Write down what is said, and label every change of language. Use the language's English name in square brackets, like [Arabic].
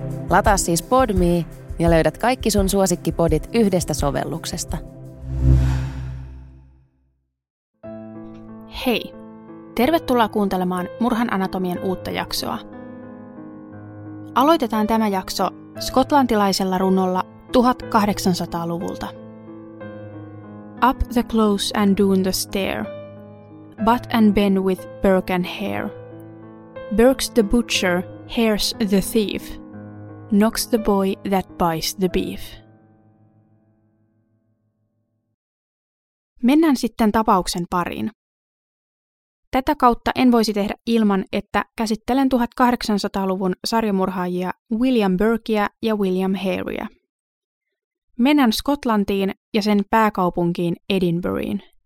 [Finnish] Lataa siis Podme ja löydät kaikki sun suosikkipodit yhdestä sovelluksesta. Hei! Tervetuloa kuuntelemaan Murhan anatomian uutta jaksoa. Aloitetaan tämä jakso skotlantilaisella runolla 1800-luvulta. [English] Up the close and down the stair, butt and bend with Burke and Hare. Burke's the butcher, Hare's the thief, knocks the boy that buys the beef. [Finnish] Mennään sitten tapauksen pariin. Tätä kautta en voisi tehdä ilman, että käsittelen 1800-luvun sarjamurhaajia William Burkea ja William Harea. Mennään Skotlantiin ja sen pääkaupunkiin Edinburghiin.